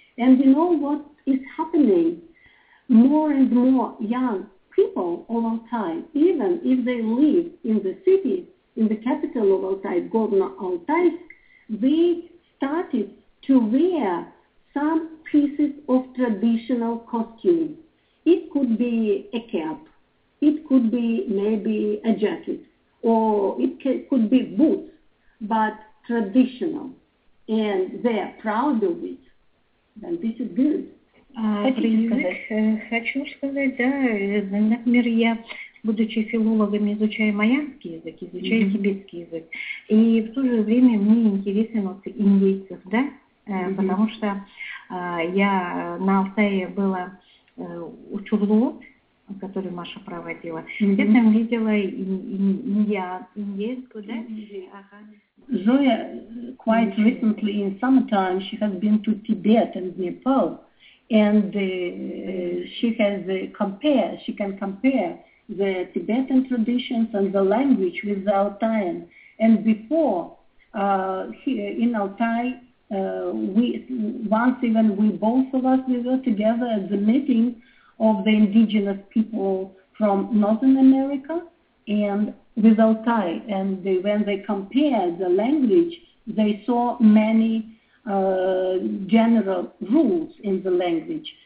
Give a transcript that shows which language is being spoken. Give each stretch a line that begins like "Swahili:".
English: And you know what is happening? More and more young people of Altai, even if they live in the city, in the capital of Altai, Governor Altai, they started to wear some pieces of traditional costume. It could be a cap. It could be maybe a jacket. Or it could be boots. But traditional, and they are proud of it, then this is good.
Russian: Про язык хочу сказать, да, например, я, будучи филологом, изучаю майянский язык, изучаю тибетский язык, и в то же время мне интересен вот индейцев, да, потому что я на Алтае была у Чурлуот, который Маша проводила. Я там видела индейскую, да?
English: Zoya, quite recently in summertime, she has been to Tibet and Nepal, and she can compare the Tibetan traditions and the language with the Altaian. And before, here in Altai, we both of us, we were together at the meeting of the indigenous people from Northern America and with Altai, and they, when they compared the language, they saw many general rules in the language.